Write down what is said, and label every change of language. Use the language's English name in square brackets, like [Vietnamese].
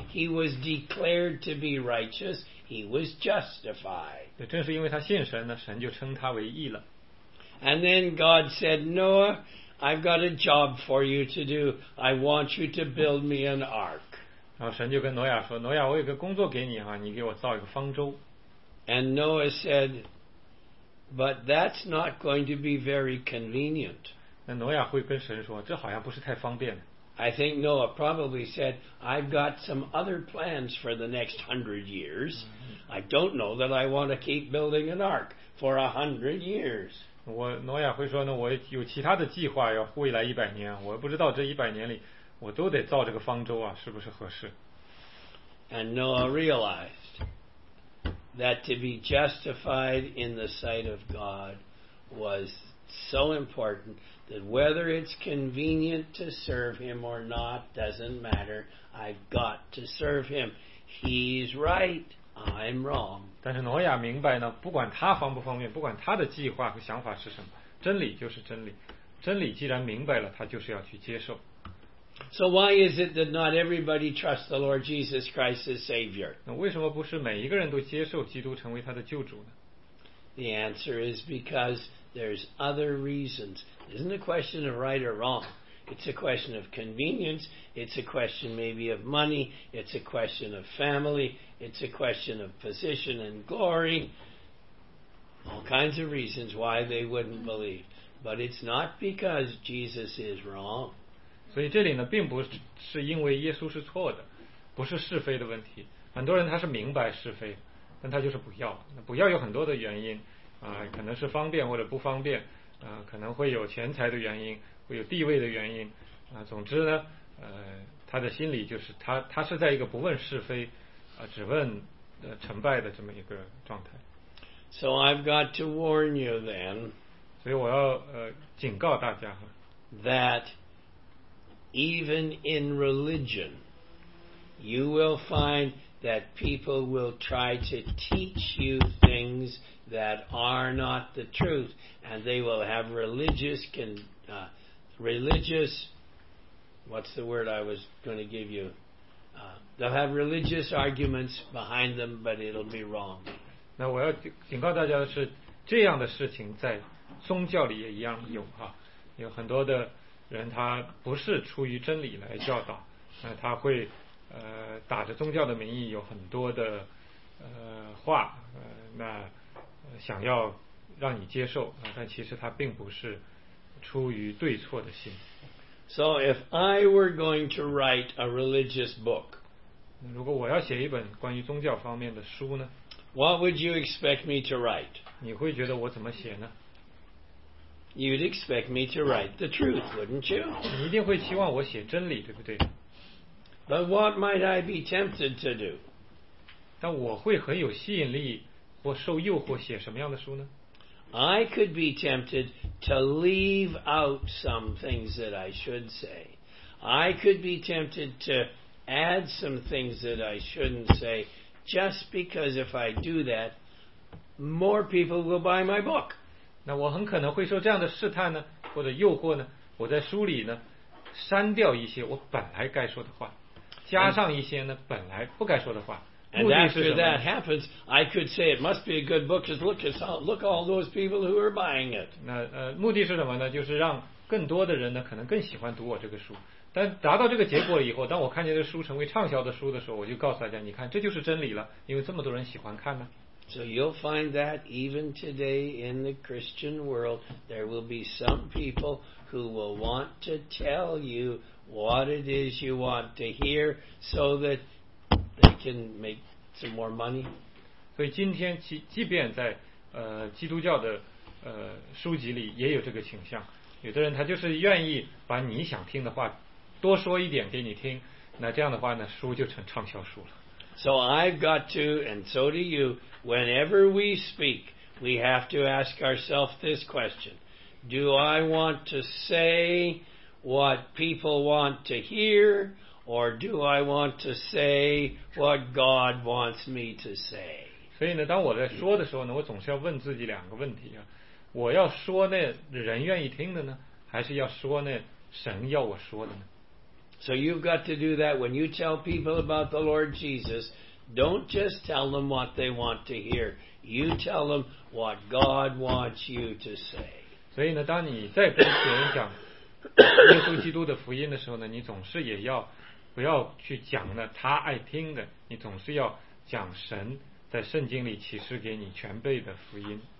[English] He was declared to be righteous. He was justified. [Chinese] 对，正是因为他信神呢，神就称他为义了。 [English] And then God said, Noah, I've got a job for you to do. I want you to build me an ark. [Chinese] 然后神就跟挪亚说，挪亚，我有个工作给你啊，你给我造一个方舟。 [English] And Noah said, but that's not going to be very convenient. [Chinese] 那挪亚会跟神说，这好像不是太方便。 [English] I think Noah probably said, I've got some other plans for the next 100 years. I don't know that I want to keep building an ark for 100 years. [Chinese] 我挪亚会说呢，我有其他的计划，要未来100年，我不知道这100年里我都得造这个方舟啊，是不是合适。 [English] And Noah realized that to be justified in the sight of God was so important. That whether it's convenient to serve him or not doesn't matter. I've got to serve him. He's right. I'm wrong. [Chinese] 但是挪亚明白呢，不管他方不方便，不管他的计划和想法是什么，真理就是真理。真理既然明白了，他就是要去接受。 [English] So why is it that not everybody trusts the Lord Jesus Christ as Savior? [Chinese] 那为什么不是每一个人都接受基督成为他的救主呢？ [English] The answer is because there's other reasons. Isn't a question of right or wrong. It's a question of convenience. It's a question maybe of money. It's a question of family. It's a question of position and glory. All kinds of reasons why they wouldn't believe. But it's not because Jesus is wrong. [Chinese] 所以这里呢，并不是因为耶稣是错的，不是是非的问题。很多人他是明白是非，但他就是不要。不要有很多的原因，可能是方便或者不方便。可能会有钱财的原因，会有地位的原因，总之呢，他的心里就是他是在一个不问是非，只问成败的这么一个状态。 [English] So I've got to warn you then. [Chinese] 所以我要警告大家 [English] that even in religion, you will find that people will try to teach you things. That are not the truth, and they will have religious, what's the word I was going to give you? They'll have religious arguments behind them, but it'll be wrong. [Chinese] 那我要警告大家的是，这样的事情在宗教里也一样有哈、啊，有很多的人他不是出于真理来教导，那他会打着宗教的名义有很多的话那。想要让你接受但其实他并不是出于对错的心 [English] So if I were going to write a religious book [Chinese] 如果我要写一本关于宗教方面的书呢 [English] What would you expect me to write? [Chinese] 你会觉得我怎么写呢 [English] You'd expect me to write the truth, wouldn't you? [Chinese] 你一定会期望我写真理对不对 [English] But what might I be tempted to do? [Chinese] 但我会很有吸引力或受诱惑写什么样的书呢 [English] I could be tempted to leave out some things that I should say. I could be tempted to add some things that I shouldn't say just because if I do that, more people will buy my book. [Chinese] 那我很可能会受这样的试探呢或者诱惑呢我在书里呢删掉一些我本来该说的话加上一些呢本来不该说的话。 [English] And after that happens, I could say it must be a good book because look all those people who are buying it. [Chinese] 那目的是什么呢？就是让更多的人呢，可能更喜欢读我这个书。但达到这个结果以后，当我看见这书成为畅销的书的时候，我就告诉大家，你看，这就是真理了，因为这么多人喜欢看呢。 [English] So you'll find that even today in the Christian world, there will be some people who will want to tell you what it is you want to hear so that they can make some more money. [Chinese] 所以今天即便在基督教的书籍里也有这个倾向，有的人他就是愿意把你想听的话多说一点给你听，那这样的话呢，书就成畅销书了。 [English] So I've got to, and so do you, whenever we speak, we have to ask ourselves this question. Do I want to say what people want to hear, or do I want to say what God wants me to say? [Chinese] 所以呢，当我在说的时候呢，我总是要问自己两个问题啊。我要说那人愿意听的呢，还是要说那神要我说的呢？ [English] So you've got to do that when you tell people about the Lord Jesus. Don't just tell them what they want to hear. You tell them what God wants you to say. [Chinese] 所以呢，当你在跟别人讲耶稣基督的福音的时候呢，你总是也要不要去讲呢他爱听的，你总是要讲神在圣经里启示给你全备的福音。